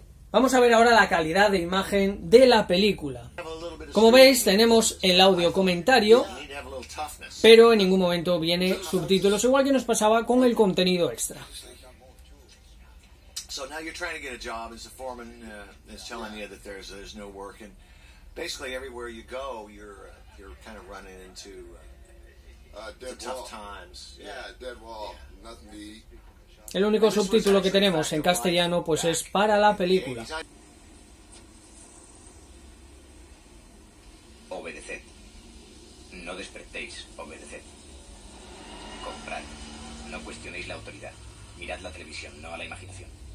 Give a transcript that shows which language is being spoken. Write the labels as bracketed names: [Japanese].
[Spanish] Vamos a ver ahora la calidad de imagen de la película. Como veis, tenemos el audio comentario, pero en ningún momento viene subtítulos, igual que nos pasaba con el contenido extra. [English] So now you're trying to get a job as the foreman is telling you that there's no work, and basically everywhere you go you're kind of running into tough times. Yeah, dead wall. Nothing to eat. [Spanish] El único subtítulo que tenemos en castellano pues es para la película. Obedeced. No despertéis, obedeced. Comprad. No cuestionéis la autoridad. Mirad la televisión, no a la imaginación.